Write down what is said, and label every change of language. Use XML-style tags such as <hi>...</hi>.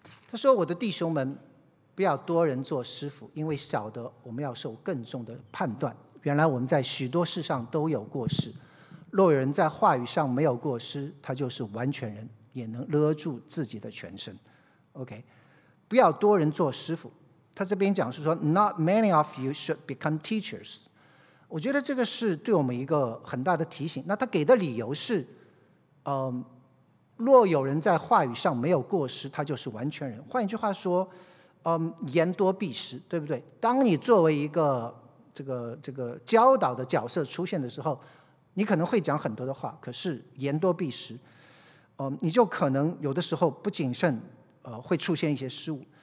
<zh>他说，我的弟兄们，不要多人做师傅，因为晓得我们要受更重的判断。原来我们在许多事上都有过失，若有人在话语上没有过失，他就是完全人，也能勒住自己的全身。 OK， 不要多人做师傅。他这边讲是说</zh> <en>Not many of you should become teachers。</en> <zh>我觉得这个是对我们一个很大的提醒。那他给的理由是若有人在话语上没有过失，他就是完全人。换一句话说言多必失，对不对？当你作为一个这个教导的角色出现的时候，你可能会讲很多的话，可是言多必失，你就可能有的时候不谨慎会出现一些失误。</zh>